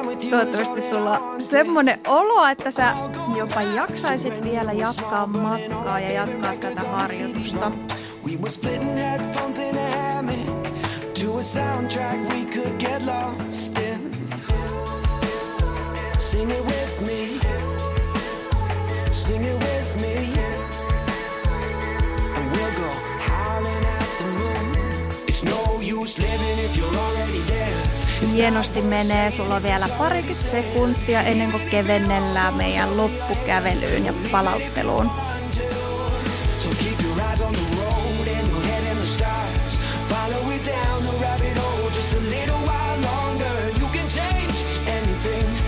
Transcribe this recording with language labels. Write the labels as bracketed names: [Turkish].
[Finnish] Toivottavasti sulla on semmonen olo, että sä jopa jaksaisit vielä jatkaa matkaa ja jatkaa tätä harjoitusta. [English] We were splitting headphones in a hammock to a soundtrack we could get lost. Sing it with me, sing it with me, and we'll go howling at the moon. It's no use living if you're already dead. [Finnish] Hienosti menee, sulla on vielä parikymmentä sekuntia ennen kuin kevennellään meidän loppukävelyyn ja palautteluun. [English] So keep your eyes on the road and your head in the stars. Follow it down the rabbit hole just a little while longer. You can change anything.